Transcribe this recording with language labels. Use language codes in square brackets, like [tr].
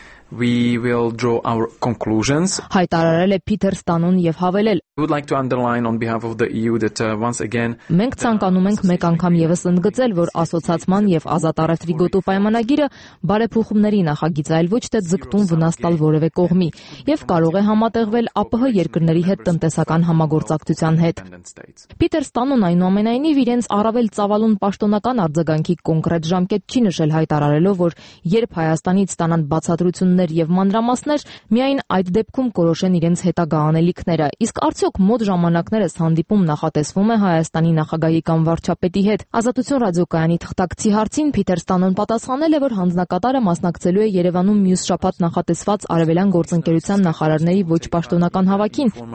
[en] We will draw our conclusions. [hy] Հայտարարել է Պիտեր Ստանոն եւ հավելել. [en] We would like to underline on behalf of the EU that once again [hy] մենք ցանկանում ենք մեկ անգամ եւս ընդգծել, որ ասոցիացիոն եւ ազատ առևտրի գոտու պայմանագիրը բարեփոխումների նախագիծ այլ ոչ թե ձգտում վնաստալ որևէ կողմի եւ կարող է համատեղվել ԱՊՀ երկրների հետ տնտեսական համագործակցության հետ։ Պիտեր Ստանոն այնուամենայնիվ իրենց առավել ծավալուն պաշտոնական արձագանքի կոնկրետ ժամկետ չի նշել, հայտարարելով, որ երբ Հայաստանից ստանան բացատրություն և մանրամասներ, միայն այդ դեպքում կորոշեն իրենց հետագա անելիքները։ Իսկ արդյոք մոտ ժամանակներս հանդիպում նախատեսվում է Հայաստանի նախագահի կամ վարչապետի հետ։ Ազատություն ռադիոկայանի թղթակցի հարցին Պիտեր Ստանոն պատասխանել է, որ հանձնակատարը մասնակցելու է Երևանում մյուս շաբաթ նախատեսված արևելյան գործընկերության նախարարների ոչ պաշտոնական հավաքին։